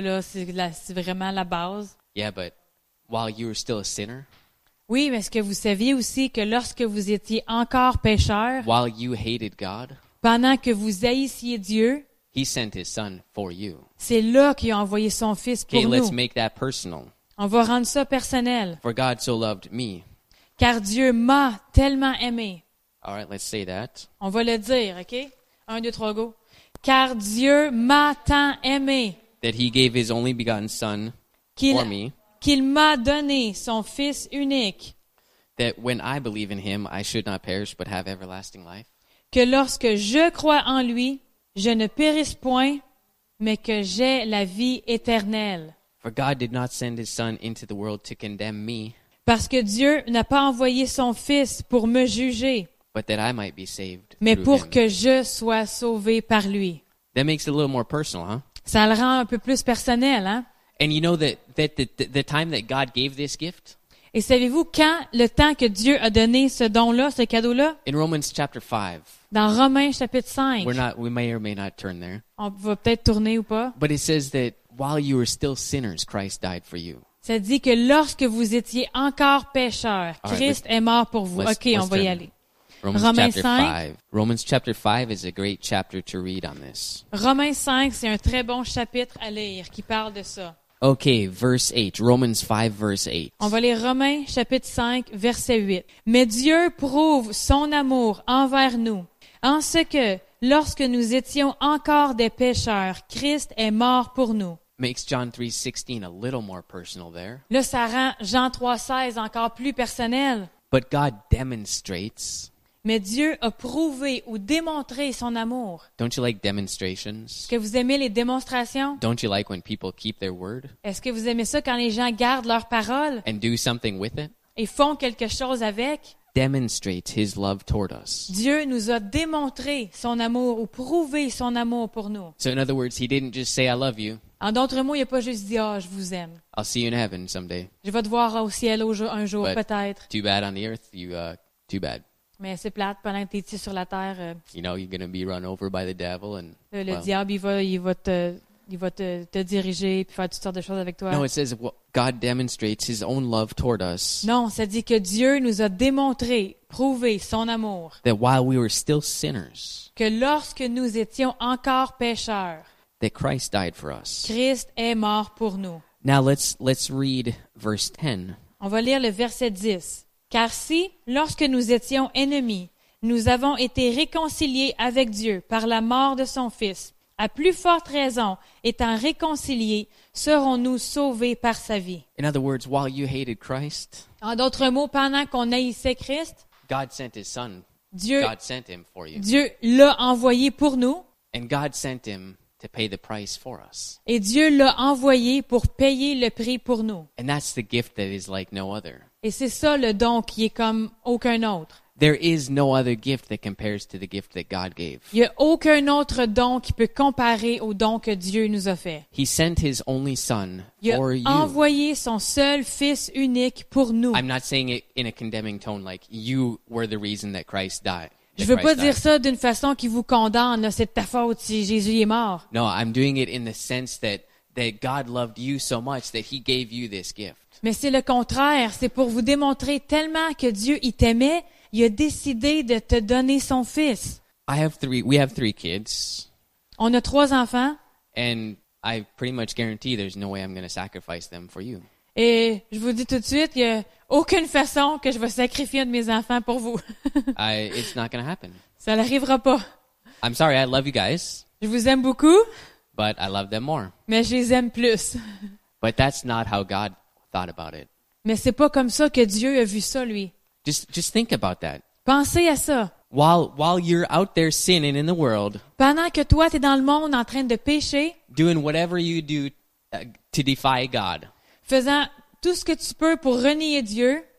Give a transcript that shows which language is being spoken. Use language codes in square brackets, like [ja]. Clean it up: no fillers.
[fr] Là, c'est vraiment la base. [en] Yeah, but while you were still a sinner. [fr] Oui, mais est-ce que vous saviez aussi que lorsque vous étiez encore pécheur, [en] while you hated God, [fr] pendant que vous haïssiez Dieu, [en] he sent his son for you. [fr] C'est là qu'il a envoyé son Fils pour [en] okay, [fr] nous. [en] Let's make that personal. [fr] On va rendre ça personnel. [en] For God so loved me. [fr] Car Dieu m'a tellement aimé. [en] All right, let's say that. [fr] On va le dire, OK? Un, deux, trois, go. Car Dieu m'a tant aimé. [en] That he gave his only begotten son for me. [fr] Qu'il m'a donné son Fils unique. [en] That when I believe in him, I should not perish but have everlasting life. [fr] Que lorsque je crois en lui, je ne périsse point, mais que j'ai la vie éternelle. [en] For God did not send his son into the world to condemn me. [fr] Parce que Dieu n'a pas envoyé son Fils pour me juger. [en] But that I might be saved. [fr] Mais pour [en] him. [fr] Que je sois sauvé par lui. [en] That makes it a little more personal, huh? [fr] Ça le rend un peu plus personnel, hein? [en] And you know the time that God gave this gift? [fr] Et savez-vous quand le temps que Dieu a donné ce don-là, ce cadeau-là? [en] In Romans chapter 5. [fr] Dans Romains chapitre 5. [en] We may or may not turn there. [fr] On va peut-être tourner ou pas. [en] But it says that while you were still sinners, Christ died for you. [fr] Ça dit que lorsque vous étiez encore pécheurs, [en] right, [fr] Christ est mort pour vous. OK, on va y aller. [en] Romans chapter 5 is a great chapter to read on this. [fr] Romains 5, c'est un très bon chapitre à lire qui parle de ça. [en] Okay, verse 8. Romans 5, verse 8. [fr] On va lire Romains chapitre 5, verset 8. Mais Dieu prouve son amour envers nous en ce que, lorsque nous étions encore des pécheurs, Christ est mort pour nous. [en] Makes John 3, 16 a little more personal there. [fr] Là, ça rend Jean 3, 16 encore plus personnel. [en] But God demonstrates. [fr] Mais Dieu a prouvé ou démontré son amour. [en] Don't you like demonstrations? [fr] Est-ce que vous aimez les démonstrations? [en] Don't you like when people keep their word? [fr] Est-ce que vous aimez ça quand les gens gardent leur parole? [en] And do something with it? [fr] Et font quelque chose avec? [en] Demonstrates his love toward us. [fr] Dieu nous a démontré son amour ou prouvé son amour pour nous. [en] So in other words, he didn't just say I love you. [fr] En d'autres mots, il n'a pas juste dit « Ah, oh, je vous aime. » [en] I'll see you in heaven someday. [fr] Je vais te voir au ciel un jour, [en] but [fr] peut-être. [en] Too bad on the earth, you, too bad. [fr] Mais c'est plate, pendant que tu es ici sur la terre. [en] You know, you're going to be run over by the devil. And, [fr] le well, diable, il va te diriger et faire toutes sortes de choses avec toi. [en] No, it says God demonstrates his own love toward us. [fr] Non, ça dit que Dieu nous a démontré, prouvé son amour. [en] That while we were still sinners. [fr] Que lorsque nous étions encore pécheurs. [en] That Christ died for us. [fr] Christ est mort pour nous. [en] Now let's read verse 10. [fr] On va lire le verset 10. Car si, lorsque nous étions ennemis, nous avons été réconciliés avec Dieu par la mort de son Fils, à plus forte raison, étant réconciliés, serons-nous sauvés par sa vie. [en] In other words, while you hated Christ, [fr] en d'autres mots, pendant qu'on haïssait Christ, [en] God sent his son. [fr] Dieu, [en] God sent him for you. [fr] Dieu l'a envoyé pour nous. [en] And God sent him to pay the price for us. [fr] Et Dieu l'a envoyé pour payer le prix pour nous. [en] And that's the gift that is like no other. [fr] Et c'est ça le don qui est comme aucun autre. [en] There is no other gift that compares to the gift that God gave. [fr] Il n'y a aucun autre don qui peut comparer au don que Dieu nous a fait. [en] He sent his only son [fr] il a [en] for [fr] envoyé [en] you. [fr] Son seul fils unique pour nous. [en] I'm not saying it in a condemning tone like you were the reason that Christ died. [fr] Je veux [en] Christ [fr] pas dire [en] died. [fr] Ça d'une façon qui vous condamne, là, c'est de ta faute si Jésus est mort. [en] No, I'm doing it in the sense that God loved you so much that he gave you this gift. [fr] Mais c'est le contraire, c'est pour vous démontrer tellement que Dieu il t'aimait, il a décidé de te donner son fils. [en] We have three kids. [fr] On a trois enfants. [en] And I pretty much guarantee there's no way I'm going to sacrifice them for you. [fr] Et je vous dis tout de suite, il n'y a aucune façon que je vais sacrifier un de mes enfants pour vous. [en] It's not going to happen. [fr] Ça n'arrivera pas. [en] I'm sorry, I love you guys. [fr] Je vous aime beaucoup. [en] But I love them more. [fr] Mais je les aime plus. [en] But that's not how God thought about it. [fr] Mais c'est pas comme ça que Dieu a vu ça, lui. [en] Just think about that. [fr] Pensez à ça. [en] While you're out there sinning in the world, [fr] pendant que toi t'es dans le monde en train de pécher, [en] doing whatever you do to defy God, [fr] faisant tout ce que tu peux pour renier Dieu,